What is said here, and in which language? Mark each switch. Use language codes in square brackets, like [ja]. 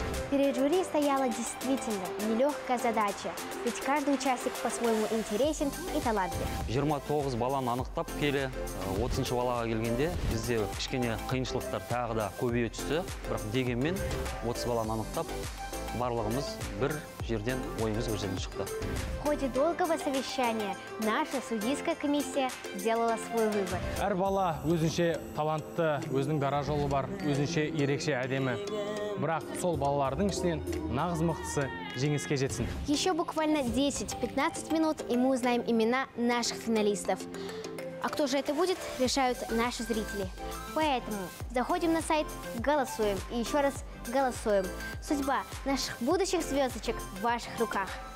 [ru] Перед жюри стояла действительно нелегкая задача, ведь каждый участник по-своему интересен и талантлив. [kk] 29 баланы анықтап келе, 30-шы балаға келгенде, бізде кішкене қиыншылықтар тағы да көбейе түсті, бірақ дегенмен 30 баланы анықтап, барлығымыз бір жерден ойымыз бір жерден шықты. [ru] В ходе долгого совещания наша судейская комиссия сделала свой выбор. [kk] Әр бала өзінше талантты, өзінің дара жолы бар, өзінше ерекше әдемі. Бірақ сол балалардың ішінен нағыз мықтысы жеңіске жетсін. [ru] Еще буквально 10-15 минут, и мы узнаем имена наших финалистов. А кто же это будет, решают наши зрители. Поэтому заходим на сайт, голосуем и еще раз голосуем. Судьба наших будущих звездочек в ваших руках.